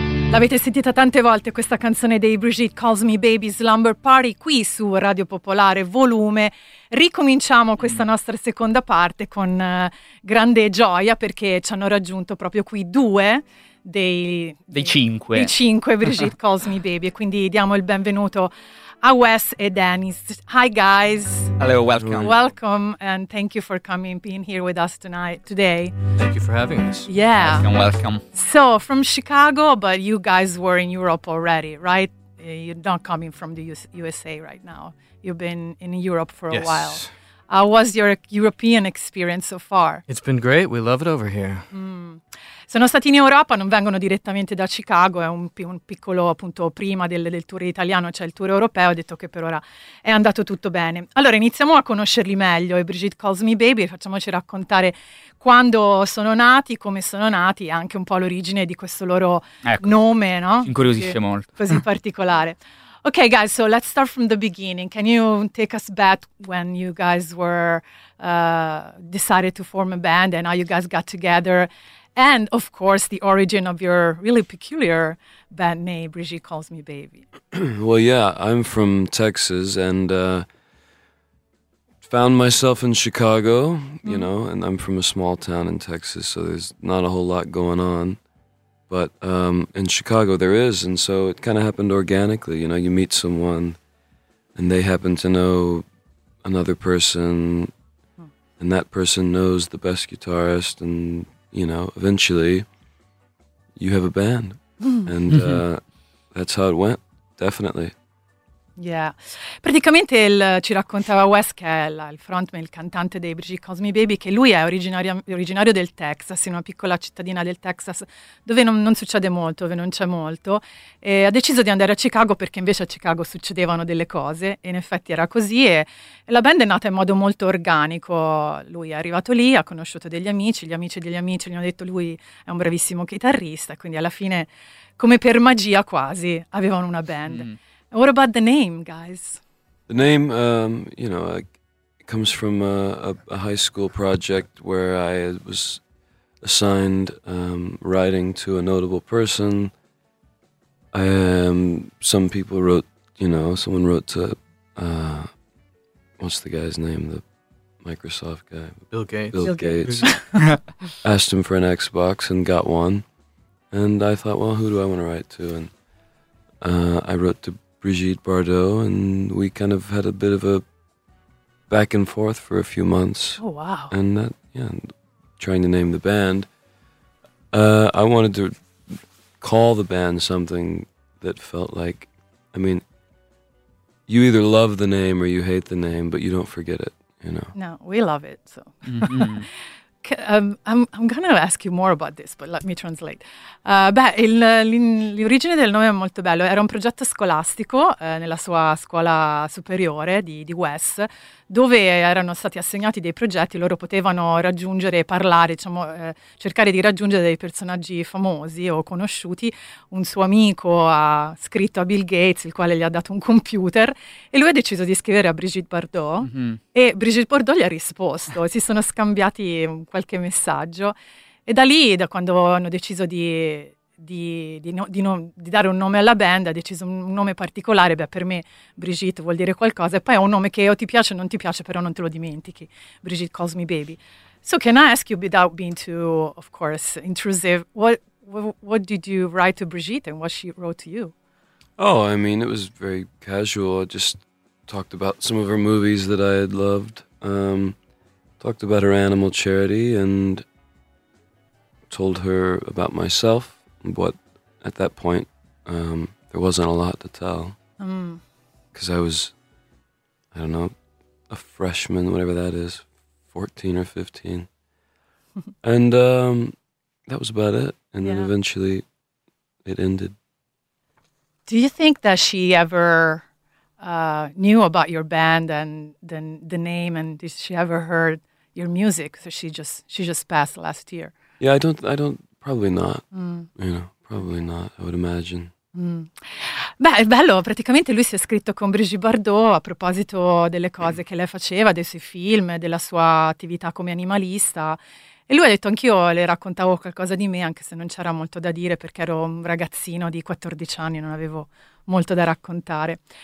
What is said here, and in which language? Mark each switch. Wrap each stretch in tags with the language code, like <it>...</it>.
<it>L'avete sentita tante volte questa canzone dei Brigitte Calls Me Baby Slumber Party qui su Radio Popolare Volume. Ricominciamo questa nostra seconda parte con grande gioia perché ci hanno raggiunto proprio qui due dei cinque Brigitte Calls Me Baby. Quindi diamo il benvenuto a Wes e Dennis.</it> <en>Hi guys. Hello, welcome. Welcome and thank you for coming, being here with us tonight, today. Thank you for having us. Yeah. Welcome, welcome. So, from Chicago, but you guys were in Europe already, right? You're not coming from the USA right now. You've been in Europe for a while. How was your European experience so far? It's been great. We love it over here.</en> <it>Sono stati in Europa, non vengono direttamente da Chicago, è un piccolo appunto prima del tour italiano, cioè il tour europeo, ho detto che per ora è andato tutto bene. Allora iniziamo a conoscerli meglio, e Brigitte Calls Me Baby, facciamoci raccontare quando sono nati, come sono nati e anche un po' l'origine di questo loro nome, no? Ci incuriosisce molto. Così particolare.</it> <en>Okay, guys, so let's start from the beginning. Can you take us back when you guys were decided to form a band and how you guys got together? And, of course, the origin of your really peculiar band name, Brigitte Calls Me Baby. Well, yeah, I'm from Texas and found myself in Chicago, you know, and I'm from a small town in Texas, so there's not a whole lot going on. But in Chicago there is, and so it kind of happened organically. You know, you meet someone and they happen to know another person and that person knows the best guitarist and... You know, eventually, you have a band, and that's how it went, definitely. Yeah.</en> <it>Praticamente ci raccontava Wes, che è il frontman, il cantante dei Brigitte Calls Me Baby, che lui è originario del Texas, in una piccola cittadina del Texas, dove non succede molto, dove non c'è molto, e ha deciso di andare a Chicago perché invece a Chicago succedevano delle cose, e in effetti era così, e la band è nata in modo molto organico. Lui è arrivato lì, ha conosciuto degli amici degli amici gli hanno detto lui è un bravissimo chitarrista, quindi alla fine, come per magia quasi, avevano una band.</it> <en>Mm. What about the name, guys? The name, you know, comes from a high school project where I was assigned writing to a notable person. Some people wrote, you know, someone wrote to, what's the guy's name, the Microsoft guy? Bill Gates. Asked him for an Xbox and got one. And I thought, well, who do I want to write to? And I wrote to Brigitte Bardot, and we kind of had a bit of a back and forth for a few months. Oh, wow. And that, yeah, trying to name the band. I wanted to call the band something that felt like, I mean, you either love the name or you hate the name, but you don't forget it, you know. No, we love it, so. Mm-hmm. I'm gonna ask you more about this, but let me translate.</en> <it>L'origine del nome è molto bello. Era un progetto scolastico nella sua scuola superiore di Wes, dove erano stati assegnati dei progetti, loro potevano raggiungere, parlare, diciamo, cercare di raggiungere dei personaggi famosi o conosciuti. Un suo amico ha scritto a Bill Gates, il quale gli ha dato un computer, e lui ha deciso di scrivere a Brigitte Bardot, e Brigitte Bardot gli ha risposto, si sono scambiati qualche messaggio, e da lì, da quando hanno deciso di dare un nome alla band, ha deciso un nome particolare. Beh, per me Brigitte vuol dire qualcosa, e poi è un nome che o ti piace o non ti piace, però non te lo dimentichi. Brigitte Calls Me Baby.</it> <en>So can I ask you, without being too, of course, intrusive, what did you write to Brigitte and what she wrote to you? Oh, I mean, it was very casual. I just talked about some of her movies that I had loved, talked about her animal charity, and told her about myself. But at that point, there wasn't a lot to tell. Because I was, I don't know, a freshman, whatever that is, 14 or 15. And that was about it. And then eventually it ended. Do you think that she ever knew about your band and the name? And did she ever heard your music? So she just passed last year. Yeah, probably not, you know, probably not, I would imagine.</en> <it>Beh, è bello, praticamente lui si è scritto con Brigitte Bardot a proposito delle cose che lei faceva, dei suoi film, della sua attività come animalista, E lui ha detto: anch'io le raccontavo qualcosa di me, anche se non c'era molto da dire, perché ero un ragazzino di 14 anni, non avevo molto da raccontare.</it>